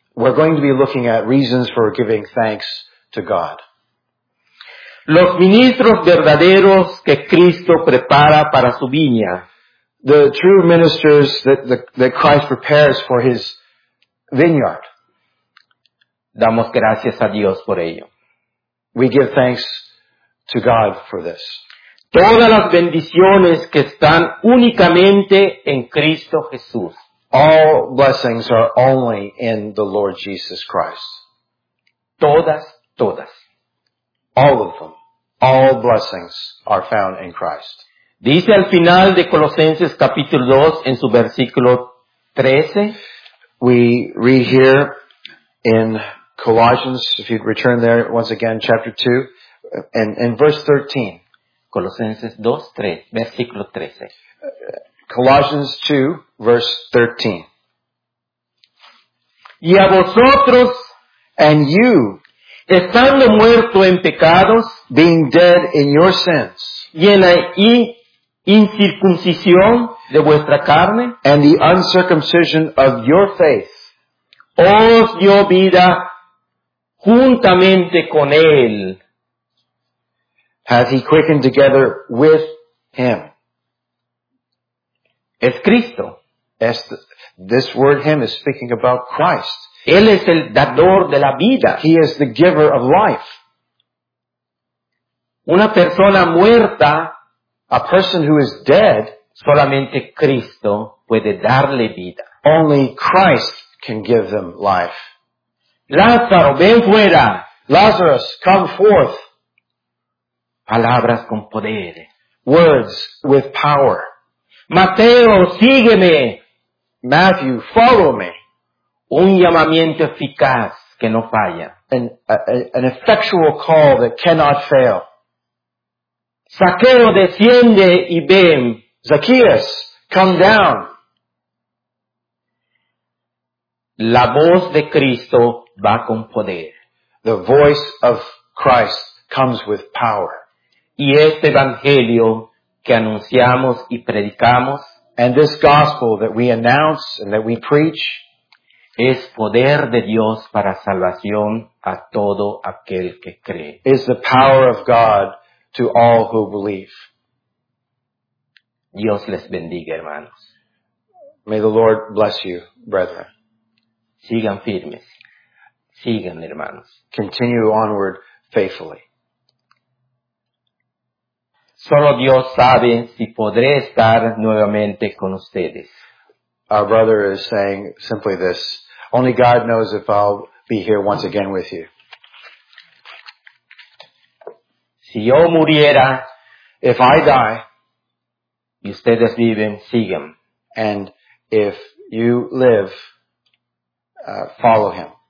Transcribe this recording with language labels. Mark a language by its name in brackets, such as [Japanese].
[English] We're going to be looking at reasons for giving thanks to God. [Spanish] Los ministros verdaderos que Cristo prepara para su viña. [English] The true ministers that Christ prepares for his vineyard. [Spanish] Damos gracias a Dios por ello. [English] We give thanks to God for this. [Spanish] Todas las bendiciones que están únicamente en Cristo Jesús. [English] All blessings are only in the Lord Jesus Christ. [Spanish] Todas, todas. [English] All of them. All blessings are found in Christ. [Spanish] Dice al final de Colosenses capítulo 2 en su versículo 13. [English] We read here in Colossians, if you'd return there once again, chapter 2, in verse 13. [Spanish] Colosenses 2, 3, versículo 13. [English] Colossians 2, verse 13. [Spanish] Y a vosotros, [English] and you, [Spanish] estando muerto en pecados, [English] being dead in your sins, [Spanish] y en la incircuncisión de vuestra carne, [English] and the uncircumcision of your faith, [Spanish] os dio vida juntamente con él, [English] hath he quickened together with him. [Spanish] Es Cristo. [English] This word him is speaking about Christ. [Spanish] Él es el dador de la vida. [English] He is the giver of life. [Spanish] Una persona muerta, [English] a person who is dead, [Spanish] solamente Cristo puede darle vida. [English] Only Christ can give them life. [Spanish] Lázaro, ven fuera. [English] Lazarus, come forth. [Spanish] Palabras con poder. [English] Words with power. [Spanish] Mateo, sígueme. [English] Matthew, follow me. [Spanish] Un llamamiento eficaz que no falla. [English] An effectual call that cannot fail. [Spanish] Zaqueo, desciende y ven. [English] Zacchaeus, come down. [Spanish] La voz de Cristo va con poder. [English] The voice of Christ comes with power. [Spanish] Y este evangelio que anunciamos y predicamos, [English] and this gospel that we announce and that we preach, [Spanish] es poder de Dios para salvación a todo aquel que cree. [English] Is the power of God to all who believe. [Spanish] Dios les bendiga, hermanos. [English] May the Lord bless you, brethren. [Spanish] Sigan firmes. Sigan, hermanos. [English] Continue onward faithfully. [Spanish] Solo Dios sabe si podré estar nuevamente con ustedes. [English] Our brother is saying simply this. Only God knows if I'll be here once again with you. [Spanish] Si yo muriera, [English] if I die, [Spanish] y ustedes viven, sigan. [English] And if you live, follow him.